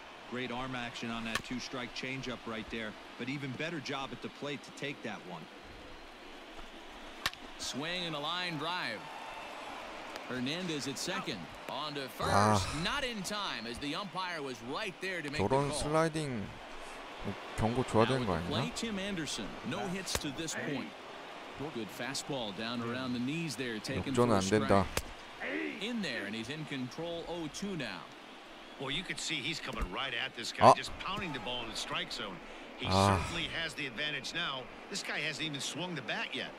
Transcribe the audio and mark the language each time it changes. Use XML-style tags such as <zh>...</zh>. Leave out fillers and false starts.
<en>Great arm action on that 2-strike changeup right there, but even better job at the plate to take that one. Swing and a line drive. Hernandez at second. On to first. Not in time as the umpire was right there to make the call.</en> <ko>저런 슬라이딩 경고 줘야 되는 거 아니야?</ko> <en>Play Tim Anderson. No hits to this point. Good fastball down around the knees there, taking the strike. In there, and he's in control 0-2 now. Well, you can see he's coming right at this guy, just pounding the ball in the strike zone. He certainly has the advantage now. This guy hasn't even swung the bat yet.</en>